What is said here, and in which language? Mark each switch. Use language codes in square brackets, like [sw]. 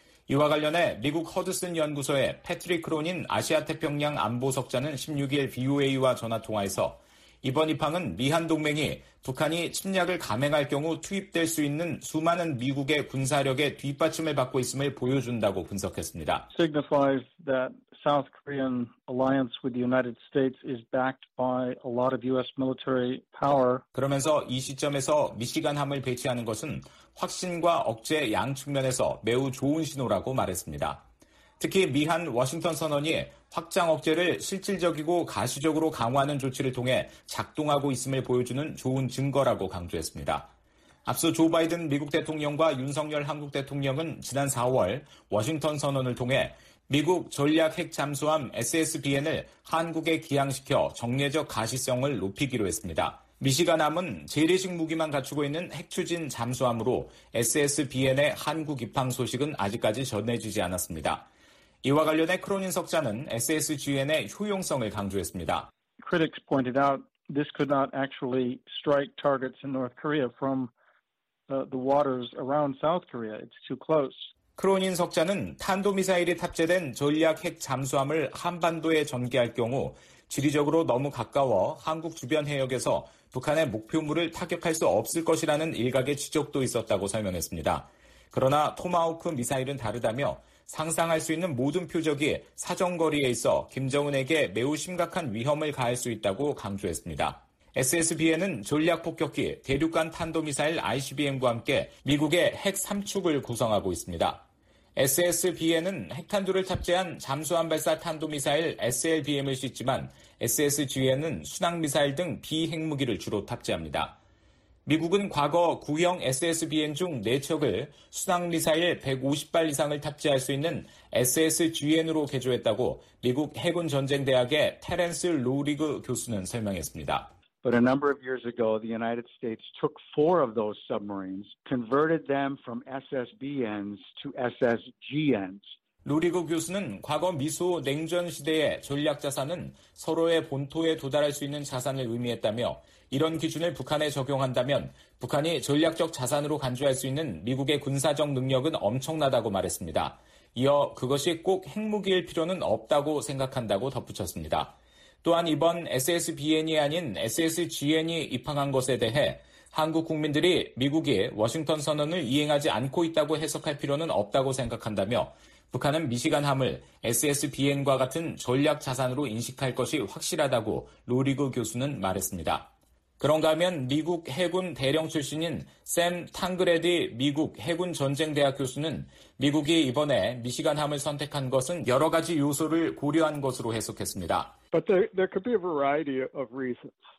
[ko] 이와 관련해 미국 허드슨 연구소의 패트릭 크론인 아시아태평양 안보석자는 16일 VOA와 전화통화에서 이번 입항은 미한 동맹이 북한이 침략을 감행할 경우 투입될 수 있는 수많은 미국의 군사력의 뒷받침을 받고 있음을 보여준다고 분석했습니다. [en] Signifies that South Korean alliance with the United States is backed by a lot of US military power. [ko] 그러면서 이 시점에서 미시간함을 배치하는 것은 확신과 억제 양 측면에서 매우 좋은 신호라고 말했습니다. 특히 미한 워싱턴 선언이 확장 억제를 실질적이고 가시적으로 강화하는 조치를 통해 작동하고 있음을 보여주는 좋은 증거라고 강조했습니다. 앞서 조 바이든 미국 대통령과 윤석열 한국 대통령은 지난 4월 워싱턴 선언을 통해 미국 전략 핵 잠수함 SSBN을 한국에 기항시켜 정례적 가시성을 높이기로 했습니다. 미시간함은 재래식 무기만 갖추고 있는 핵추진 잠수함으로 SSBN의 한국 입항 소식은 아직까지 전해지지 않았습니다. 이와 관련해 크로닌 석자는 SSGN의 효용성을 강조했습니다. [en] Critics pointed out this could not actually strike targets in North Korea from the waters around South Korea. It's too close. [ko] 크로닌 석자는 탄도미사일이 탑재된 전략 핵 잠수함을 한반도에 전개할 경우 지리적으로 너무 가까워 한국 주변 해역에서 북한의 목표물을 타격할 수 없을 것이라는 일각의 지적도 있었다고 설명했습니다. 그러나 토마호크 미사일은 다르다며 상상할 수 있는 모든 표적이 사정거리에 있어 김정은에게 매우 심각한 위험을 가할 수 있다고 강조했습니다. SSBN은 전략폭격기, 대륙간 탄도미사일 ICBM과 함께 미국의 핵 3축을 구성하고 있습니다. SSBN은 핵탄두를 탑재한 잠수함 발사 탄도미사일 SLBM을 싣지만 SSGN은 순항미사일 등 비핵무기를 주로 탑재합니다. 미국은 과거 구형 SSBN 중 4척을 순항미사일 150발 이상을 탑재할 수 있는 SSGN으로 개조했다고 미국 해군전쟁대학의 테렌스 로리그 교수는 설명했습니다. [en] But a number of years ago, the United States took four of those submarines, converted them from SSBNs to SSGNs. [ko] 루리그 교수는 과거 미소 냉전 시대의 전략 자산은 서로의 본토에 도달할 수 있는 자산을 의미했다며 이런 기준을 북한에 적용한다면 북한이 전략적 자산으로 간주할 수 있는 미국의 군사적 능력은 엄청나다고 말했습니다. 이어 그것이 꼭 핵무기일 필요는 없다고 생각한다고 덧붙였습니다. 또한 이번 SSBN이 아닌 SSGN이 입항한 것에 대해 한국 국민들이 미국이 워싱턴 선언을 이행하지 않고 있다고 해석할 필요는 없다고 생각한다며 북한은 미시간함을 SSBN과 같은 전략 자산으로 인식할 것이 확실하다고 로리그 교수는 말했습니다. 그런가 하면 미국 해군 대령 출신인 샘 탕그레디 미국 해군 전쟁대학 교수는 미국이 이번에 미시간함을 선택한 것은 여러 가지 요소를 고려한 것으로 해석했습니다. [en] But there could be a variety of reasons.